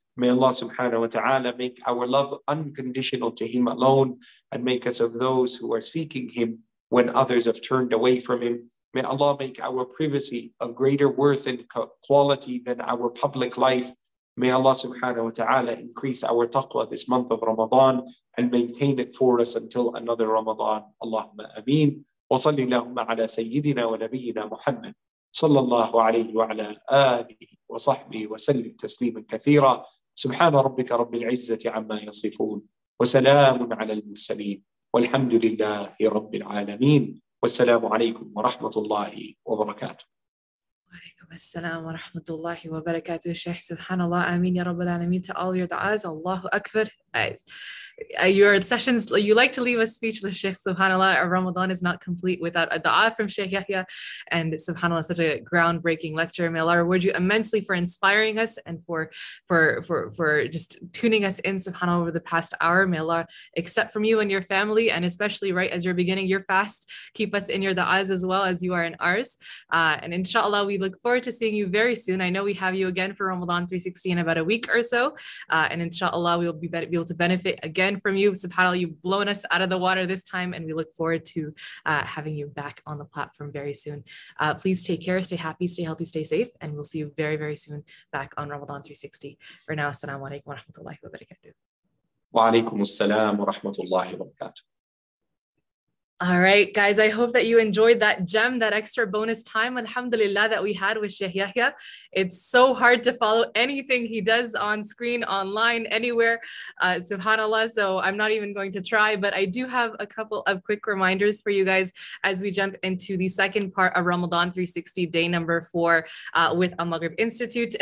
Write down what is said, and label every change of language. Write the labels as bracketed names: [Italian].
[English] May Allah subhanahu wa ta'ala make our love unconditional to Him alone, and make us of those who are seeking Him when others have turned away from Him. May Allah make our privacy of greater worth and quality than our public life. May Allah subhanahu wa ta'ala increase our taqwa this month of Ramadan and maintain it for us until another Ramadan. Allahumma ameen. Wa salli Allahumma ala Sayyidina wa Nabiyyina Muhammad. [Arabic] صلى الله عليه وعلى آله وصحبه وسلم تسليما كثيرا. سبحان ربك رب العزة عما يصفون وسلام على المرسلين والحمد لله رب العالمين والسلام عليكم ورحمة الله وبركاته. وعليكم السلام ورحمة الله وبركاته. الشيخ سبحان الله آمين يا رب العالمين. [English] To all your du'as, [Arabic] الله أكبر. [English] Your sessions, you like to leave us speechless, Sheikh, subhanAllah. Our Ramadan is not complete without a du'a from Sheikh Yahya, and subhanAllah, such a groundbreaking lecture. May Allah reward you immensely for inspiring us and for just tuning us in, subhanAllah, over the past hour. May Allah accept from you and your family, and especially right as you're beginning your fast, keep us in your du'as as well as you are in ours. And inshallah, we look forward to seeing you very soon. I know we have you again for Ramadan 360 in about a week or so, and inshallah, we'll be able to benefit again from you. SubhanAllah, you've blown us out of the water this time, and we look forward to having you back on the platform very soon. Please take care, stay happy, stay healthy, stay safe, and we'll see you very, very soon back on Ramadan 360. For now, assalamu alaikum wa rahmatullahi wa barakatuh. [Arabic] وعليكم السلام ورحمة الله وبركاته. [English] All right, guys, I hope that you enjoyed that gem, that extra bonus time, alhamdulillah, that we had with Sheikh Yahya. It's so hard to follow anything he does on screen, online, anywhere, subhanAllah, so I'm not even going to try, but I do have a couple of quick reminders for you guys as we jump into the second part of Ramadan 360, day number 4 with Al Maghrib Institute.